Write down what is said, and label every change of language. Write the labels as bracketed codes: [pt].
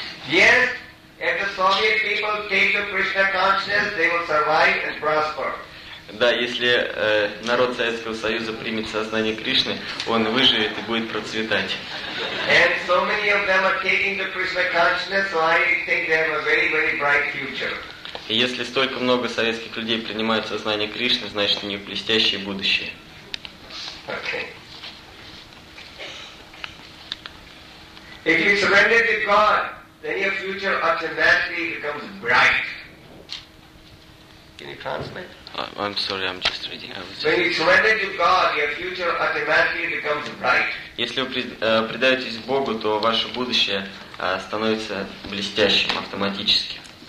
[en] Yes, if the Soviet people take the Krishna consciousness, they will survive and prosper. [ru] Да, если народ Советского Союза примет сознание Кришны, он выживет и будет процветать. [en] And so many of them are taking the Krishna consciousness, so I think they have a very, very bright future. [ru] Если столько много советских людей принимают сознание Кришны, значит, у них блестящее будущее. [en] Okay. If you surrender to God, then your future automatically becomes bright. Can you translate? I'm sorry, I'm just reading. When you surrender to God, your future automatically becomes bright. [ru] Если вы предаетесь Богу, то ваше будущее становится блестящим автоматически.